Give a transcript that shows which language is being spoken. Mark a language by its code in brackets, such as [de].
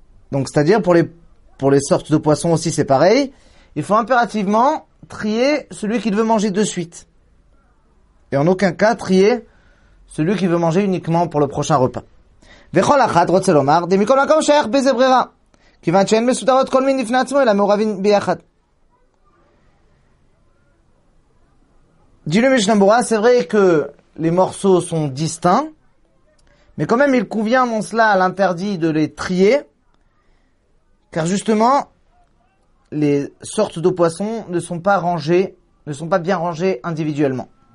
[fr] Donc, c'est-à-dire pour les Pour les sortes de poissons aussi, c'est pareil. Il faut impérativement trier celui qu'il veut manger de suite. Et en aucun cas trier celui qu'il veut manger uniquement pour le prochain repas. [he] וכל אחד רוצה לומר, דמי כל מקום שייך בזה ברירה. כיוון שאין מסודרות כל מין לפני עצמו, אלא מעורבים ביחד. [fr] Dit le Mishnah Berurah, c'est vrai que les morceaux sont distincts, mais quand même il convient dans cela à l'interdit de les trier, car justement, les sortes de poissons ne sont pas rangées, ne sont pas bien rangées individuellement.